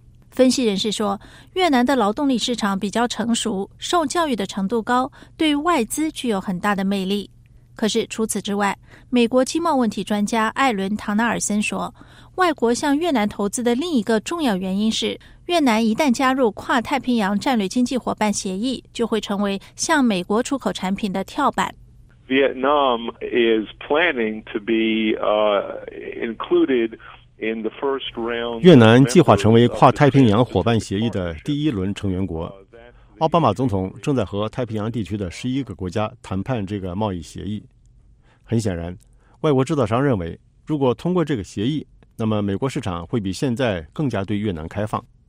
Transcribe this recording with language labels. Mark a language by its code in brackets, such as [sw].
[zh] 分析人士说，越南的劳动力市场比较成熟，受教育的程度高，对外资具有很大的魅力。可是除此之外，美国经贸问题专家艾伦·唐纳尔森说，外国向越南投资的另一个重要原因是，越南一旦加入跨太平洋战略经济伙伴协议，就会成为向美国出口产品的跳板。 [en] Vietnam is planning to be included in the first round. [zh] 越南计划成为跨太平洋伙伴协议的第一轮成员国。奥巴马总统正在和太平洋地区的11个国家谈判这个贸易协议。很显然，外国制造商认为，如果通过这个协议，那么美国市场会比现在更加对越南开放。